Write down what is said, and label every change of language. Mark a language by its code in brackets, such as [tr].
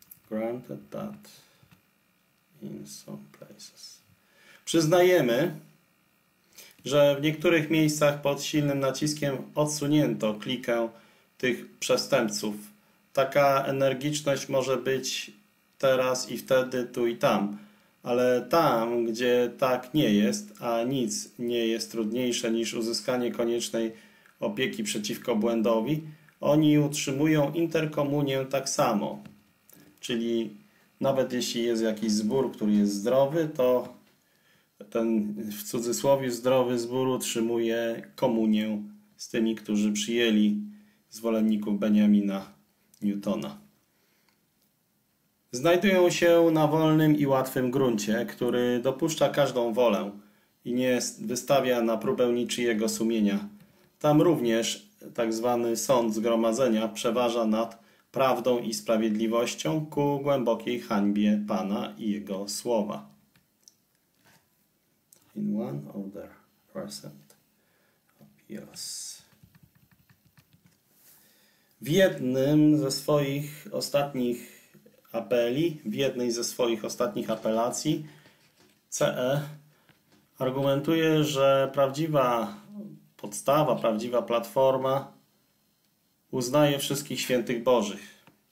[en] Granted that in some places. [pl] Przyznajemy, że w niektórych miejscach pod silnym naciskiem odsunięto klikę tych przestępców. Taka energiczność może być teraz i wtedy, tu i tam. Ale tam, gdzie tak nie jest, a nic nie jest trudniejsze niż uzyskanie koniecznej opieki przeciwko błędowi, oni utrzymują interkomunię tak samo. Czyli nawet jeśli jest jakiś zbór, który jest zdrowy, to ten w cudzysłowie zdrowy zbór utrzymuje komunię z tymi, którzy przyjęli zwolenników Benjamina Newtona. Znajdują się na wolnym i łatwym gruncie, który dopuszcza każdą wolę i nie wystawia na próbę niczyjego sumienia. Tam również tak zwany sąd zgromadzenia przeważa nad prawdą i sprawiedliwością ku głębokiej hańbie Pana i Jego słowa. [en] In one of their present appeals. [pl] W jednym ze swoich ostatnich apeli, w jednej ze swoich ostatnich apelacji, CE argumentuje, że prawdziwa podstawa, prawdziwa platforma uznaje wszystkich świętych Bożych.